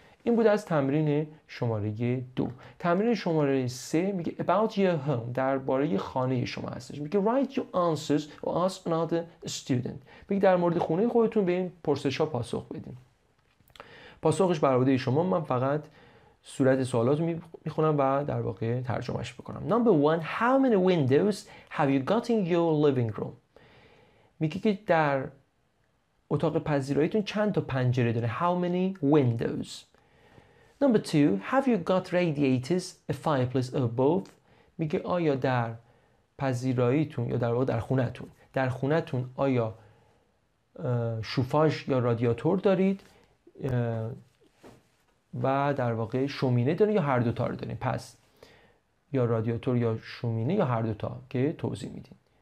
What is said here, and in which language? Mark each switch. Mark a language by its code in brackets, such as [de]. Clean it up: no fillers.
[fa] این بوده از تمرین شماره 2 تمرین شماره 3 میگه [en] about your home [fa] درباره خانه شما هستش میگه [en] write your answers or ask another student [fa] میگه در مورد خونه خودتون به این پرسش ها پاسخ بدین پاسخش بر عهده شما من فقط صورت سوالات میخونم و در واقع ترجمهش بکنم. [en] Number one, how many windows have you got in your living room? [fa] میگه که در اتاق پذیراییتون چند تا پنجره داره. [en] How many windows? Number two, have you got radiators, a fireplace or both? [fa] میگه آیا در پذیراییتون یا در واقع در خونتون. در خونتون آیا شوفاژ یا رادیاتور دارید؟ و در واقع شومینه دارین یا هر دوتا رو دارین پس یا رادیاتور یا شومینه یا هر دوتا که توضیح میدین